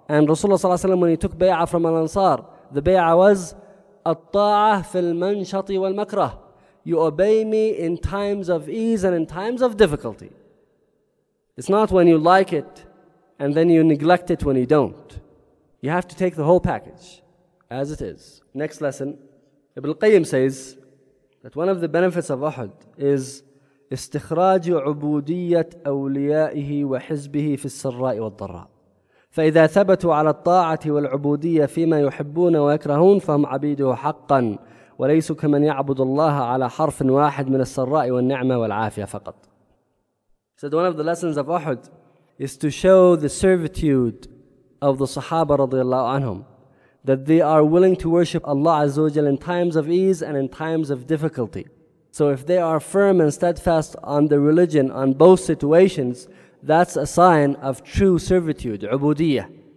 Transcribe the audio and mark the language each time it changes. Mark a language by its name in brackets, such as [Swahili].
[English] And Rasulullah ﷺ, when he took bay'ah from Al-Ansar, the bay'ah was, [Arabic] الطَّاعَةِ فِي الْمَنْشَطِ وَالْمَكْرَةِ. [English] You obey me in times of ease and in times of difficulty. It's not when you like it and then you neglect it when you don't. You have to take the whole package as it is. Next lesson, Ibn al-Qayyim says that one of the benefits of Uhud is [Arabic] استخراج عبودية أوليائه وحزبه في السراء والضراء فإذا ثبتوا على الطاعة والعبودية فيما يحبون ويكرهون فهم عبيده حقا وليسوا كمن يعبد الله على حرف واحد من السراء والنعمة والعافية فقط. [English] He said one of the lessons of Uhud is to show the servitude of the Sahaba رضي الله عنهم, that they are willing to worship Allah عز وجل in times of ease and in times of difficulty. So if they are firm and steadfast on the religion, on both situations, that's a sign of true servitude, ubudiyyah.